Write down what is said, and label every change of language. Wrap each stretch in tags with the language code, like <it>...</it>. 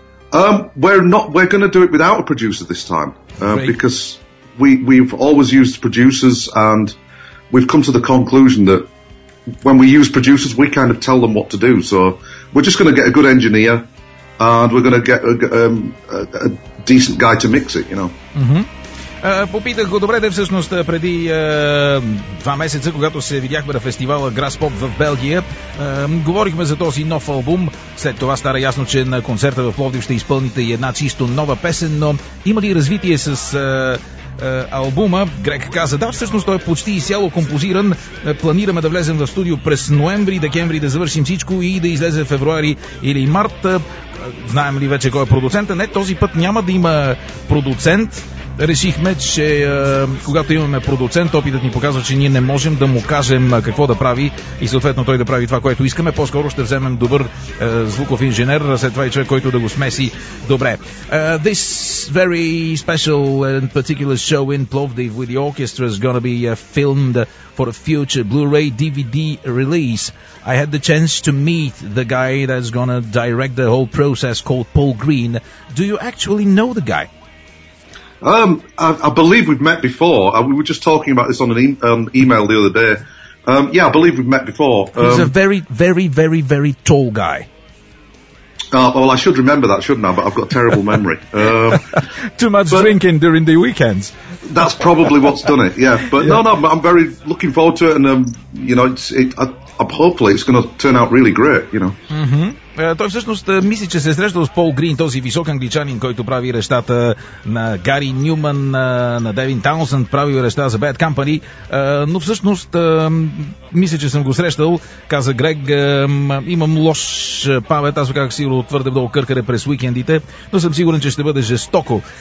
<en>We're going to do it without a producer this time. Because we've always used producers, and we've come to the conclusion that when we use producers, we kind of tell them what to do. So we're just going to get a good engineer, and we're going to get a decent guy to mix it, you know. Mm-hmm.</en> <bg>Попитах го, добре, де всъщност преди два месеца, когато се видяхме на фестивала Graspop в Белгия, говорихме за този нов албум. След това стара ясно, че на концерта в Пловдив ще изпълните и една чисто нова песен, но има ли развитие с албума? Грег каза, да, всъщност той е почти изцяло композиран. Планираме да влезем в студио през ноември, декември, да завършим всичко и да излезе февруари или март. Знаем ли вече кой е продуцента? Не, този път няма да има продуцент. Решихме, че когато имаме продуцент, опитът ни показва, че ние не можем да му кажем какво да прави и съответно той да прави това, което искаме. По-скоро ще вземем добър звуков инженер, след това и човек, който да го смеси добре.</bg> <en>This very special and particular show in Plovdiv with the orchestra is going to be filmed for a future Blu-ray DVD release. I had the chance to meet the guy that's going to direct the whole process called Paul Green. Do you actually know the guy? I believe we've met before. We were just talking about this on an email the other day. I believe we've met before. He's a very, very, very, very tall guy. Well, I should remember that, shouldn't I? But I've got a terrible memory. Too much drinking during the weekends. That's probably what's done it, yeah. But yeah. No, I'm very looking forward to it. And, you know, hopefully it's going to turn out really great, you know. Mm-hmm.</en> <bg>Той всъщност мисли, че се е срещал с Пол Грин, този висок англичанин, който прави рещата на Гари Нюман, на Девин Таунсенд, прави реща за Bad Company, но всъщност мисля, че съм го срещал, каза Грег, имам лош памет, аз казах сигурно твърде много къркаре през уикендите, но съм сигурен, че ще бъде жестоко.</bg>